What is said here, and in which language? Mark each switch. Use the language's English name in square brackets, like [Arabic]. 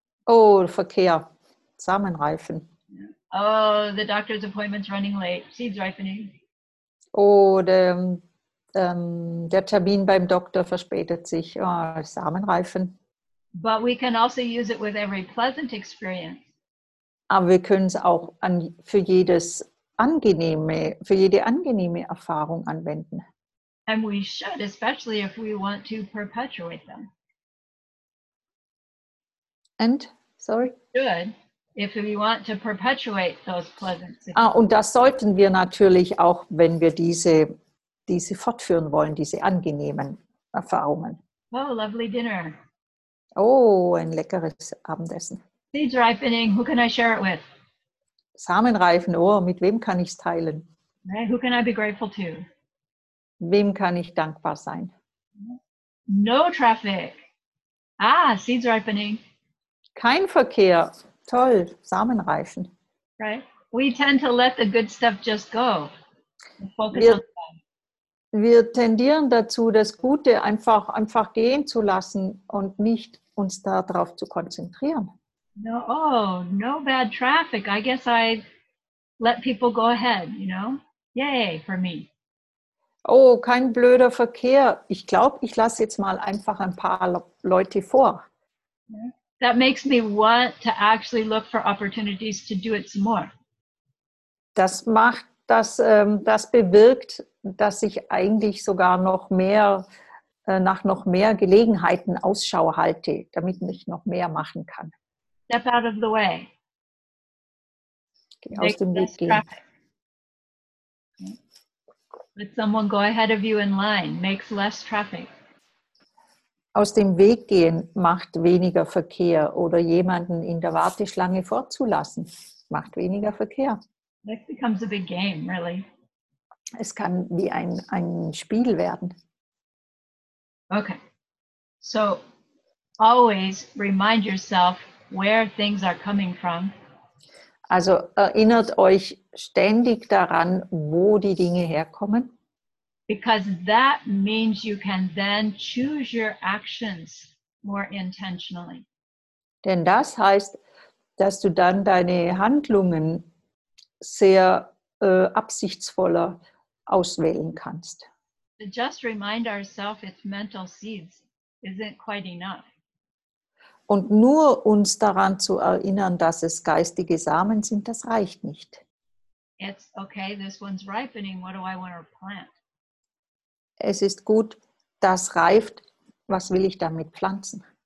[German] Oh, Verkehr. Samen reifen. [English] Oh, the doctor's appointment's running late. Seeds ripening. [German] Oh, der Termin beim Doktor verspätet sich. Oh, Samen reifen. [English] But we can also use it with every pleasant experience. [German] Aber wir können es auch für jede angenehme Erfahrung anwenden. [English] And we should, especially if we want to perpetuate them. And, sorry? Good, if we want to perpetuate those pleasant things. [German] Und das sollten wir natürlich auch, wenn wir diese fortführen wollen, diese angenehmen Erfahrungen. [English] Oh, lovely dinner. [German] Oh, ein leckeres Abendessen. [English] Seeds ripening, who can I share it with? [German] Samenreifen, oh, mit wem kann ich es teilen? [English] Okay, who can I be grateful to? [German] Wem kann ich dankbar sein? [English] No traffic. Ah, seeds ripening. [German] Kein Verkehr. Toll, Samenreifen. [English] Right. We tend to let the good stuff just go. [German] Wir tendieren dazu, das Gute einfach gehen zu lassen und nicht uns darauf zu konzentrieren. [English] No, oh, no bad traffic. I guess I let people go ahead, you know? Yay for me. [German] Oh, kein blöder Verkehr. Ich glaube, ich lasse jetzt mal einfach ein paar Leute vor. [English] That makes me want to actually look for opportunities to do it some more. [German] Das macht, das bewirkt, dass ich eigentlich sogar noch mehr nach noch mehr Gelegenheiten Ausschau halte, damit ich noch mehr machen kann. [English] Step out of the way. [German] Geh aus dem Weg gehen. [English] Let someone go ahead of you in line. Makes less traffic. [German] Aus dem Weg gehen macht weniger Verkehr oder jemanden in der Warteschlange vorzulassen macht weniger Verkehr. [English] It becomes a big game, really. [German] Es kann wie ein Spiel werden. [English] Okay. So always remind yourself where things are coming from. [German] Also erinnert euch ständig daran, wo die Dinge herkommen. [English] Because that means you can then choose your actions more intentionally. [German] Denn das heißt, dass du dann deine Handlungen sehr absichtsvoller auswählen kannst. [English] To just remind ourselves it's mental seeds isn't quite enough. [German] Und nur uns daran zu erinnern, dass es geistige Samen sind, das reicht nicht. [English] It's okay, this one's ripening. What do I want to plant? [German] Es ist gut, das reift. Was will ich damit pflanzen?